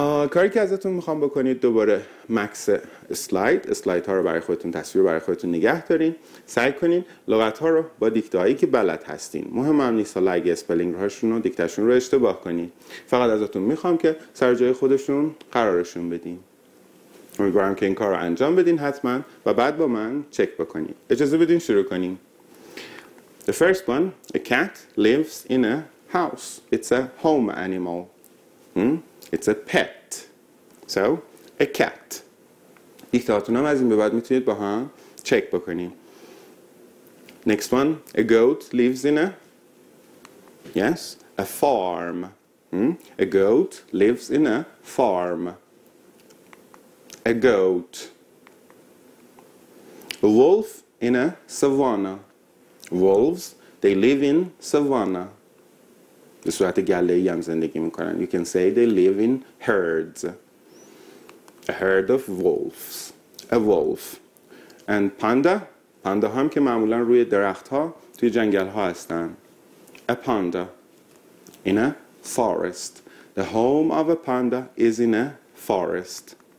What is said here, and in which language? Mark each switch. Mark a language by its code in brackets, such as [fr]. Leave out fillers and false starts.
[fa] کاری که ازتون میخوام بکنید دوباره مکس سلاید ها رو برای خودتون، تصویر برای خودتون نگه دارین، سعی کنین لغت ها رو با دیکته هایی که بلد هستین، مهم هم نیست حالا اگه اسپلینگ هاشون رو دیکته شون رو اشتباه کنین، فقط ازتون میخوام که سر جای خودشون قرارشون بدین. امیدوارم که این کار رو انجام بدین حتما و بعد با من چک بکنین. اجازه بدین شروع کنیم. [en] The first one, a cat lives in a house. It's a home animal. It's a pet. So, a cat. [fa] دیکتاتون هم از این به بعد میتونید با هم چک بکنیم. [en] Next one, a goat lives in a... Yes, a farm. A goat lives in a farm. A goat. A wolf in a savanna. Wolves, they live in savanna. [fa] به صورت گله‌ای هم زندگی میکنن. [en] You can say they live in herds. A herd of wolves. A wolf. And panda. [fa] Panda هم که معمولا روی درخت ها توی جنگل ها هستن. [en] A panda. In a forest. The home of a panda is in a forest.